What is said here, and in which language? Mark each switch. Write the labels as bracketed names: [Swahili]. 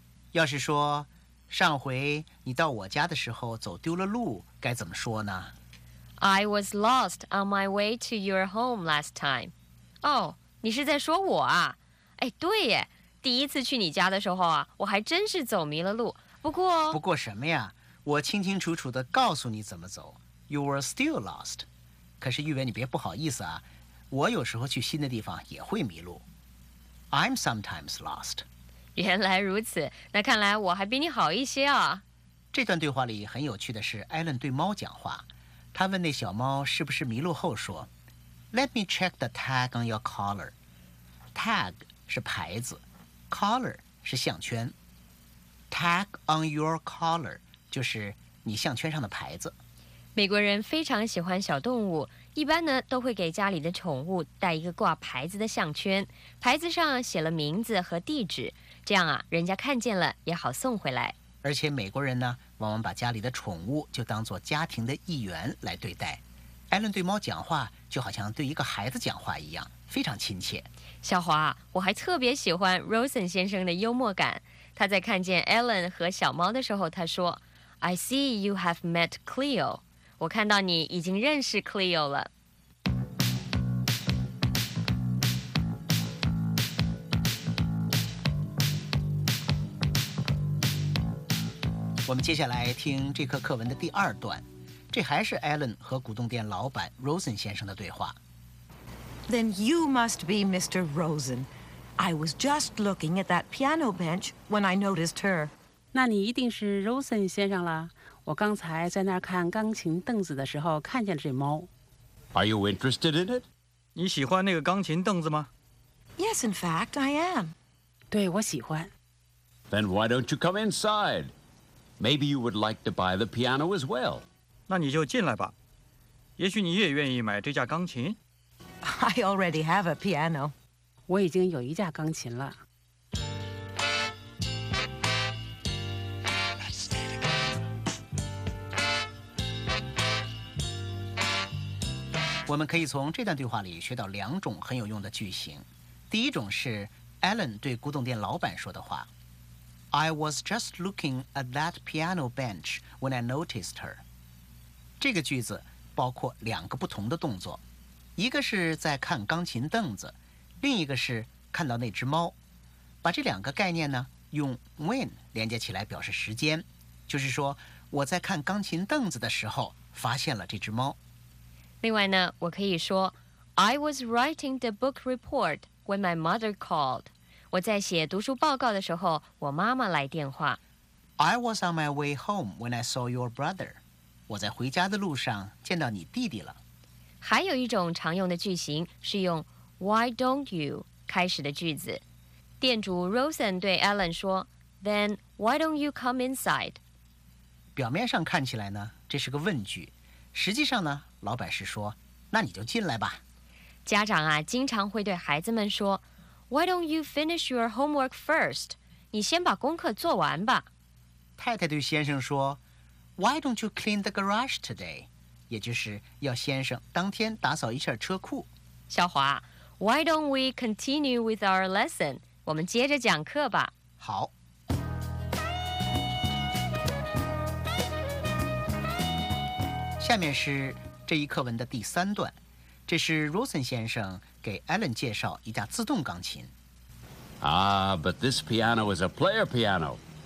[Chinese] 要是说上回你到我家的时候走丢了路，该怎么说呢？ [English] I was lost on my way to your home last time. [Chinese] 哦、oh, ，你是在说我啊？哎，对耶，第一次去你家的时候啊，我还真是走迷了路。不过什么呀？我清清楚楚地告诉你怎么走。 [English] You were still lost. [Chinese] 可是玉伟，你别不好意思啊，我有时候去新的地方也会迷路。 [English] I'm sometimes lost. [Chinese] 原来如此，那看来我还比你好一些啊。这段对话里很有趣的是，艾伦对猫讲话。他问那小猫是不是迷路后说 Let me check the tag on your collar. Tag 是牌子， collar 是项圈。 Tag on your collar 就是你项圈上的牌子。美国人非常喜欢小动物，一般呢都会给家里的宠物带一个挂牌子的项圈，牌子上写了名字和地址，这样啊人家看见了也好送回来。而且美国人呢往往把家里的宠物就当作家庭的一员来对待。艾伦对猫讲话就好像对一个孩子讲话一样，非常亲切。小华，我还特别喜欢 Rosen 先生的幽默感。他在看见艾伦和小猫的时候，他说 I see you have met Cleo. 我看到你已经认识 Cleo 了。我们接下来听这课课文的第二段，这还是 Alan 和古董店老板 Rosen 先生的对话。 [English] Then you must be Mr. Rosen. I was just looking at that piano bench when I noticed her. [Chinese] 那你一定是 Rosen 先生了。我刚才在那儿看钢琴凳子的时候看见了这猫。 [English] Are you interested in it? [Chinese] 你喜欢那个钢琴凳子吗？ [English] Yes, in fact, I am. [Chinese] 对，我喜欢。 [English] Then why don't you come inside? Maybe you would like to buy the piano as well. [Chinese] 那你就进来吧。也许你也愿意买这架钢琴。 [English] I already have a piano. [Chinese] 我已经有一架钢琴了。我们可以从这段对话里学到两种很有用的句型。第一种是 Alan 对古董店老板说的话。 [English] I was just looking at that piano bench when I noticed her. [Chinese] 这个句子包括两个不同的动作，一个是在看钢琴凳子，另一个是看到那只猫。把这两个概念呢，用 when 连接起来表示时间，就是说我在看钢琴凳子的时候发现了这只猫。 [English] 另外呢，我可以说 I was writing the book report when my mother called. [Chinese] 我在写读书报告的时候，我妈妈来电话。 [English] I was on my way home when I saw your brother. [Chinese] 我在回家的路上见到你弟弟了。还有一种常用的句型是用 Why don't you 开始的句子。 [English] 店主 Rosen 对 Alan 说 Then why don't you come inside? [Chinese] 表面上看起来呢，这是个问句。实际上呢，老板是说那你就进来吧。 [English] 家长啊，经常会对孩子们说 Why don't you finish your homework first? [Chinese] 你先把功课做完吧。 [English] 太太对先生说 Why don't you clean the garage today? [Chinese] 也就是要先生当天打扫一下车库。 [English] 小华 Why don't we continue with our lesson? [Chinese] 我们接着讲课吧。好。下面是这一课文的第三段。这是 Rosen 先生给 Alan 介绍一架自动钢琴。 [English] Ah, but this piano is a player piano.